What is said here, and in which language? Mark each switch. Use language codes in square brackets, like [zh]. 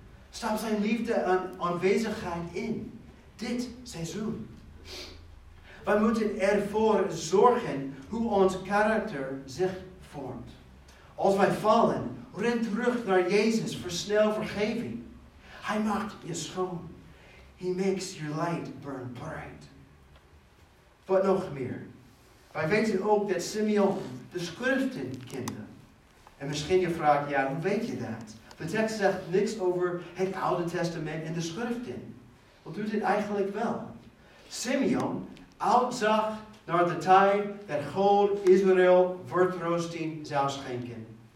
[nl] Stap zijn liefde en aanwezigheid in. Dit seizoen. Wij moeten ervoor zorgen hoe ons karakter zich vormt. Als wij vallen, ren terug naar Jezus voor snel vergeving. Hij maakt je schoon. [en] He makes your light burn bright. [nl] Wat nog meer. Wij weten ook dat Simeon de schriften kende. En misschien je vraagt, ja, hoe weet je dat? De tekst zegt niks over het Oude Testament en de schriften. Wat doet het eigenlijk wel? Simeon uitzag naar de tijd dat God Israël vertroosting zou schenken.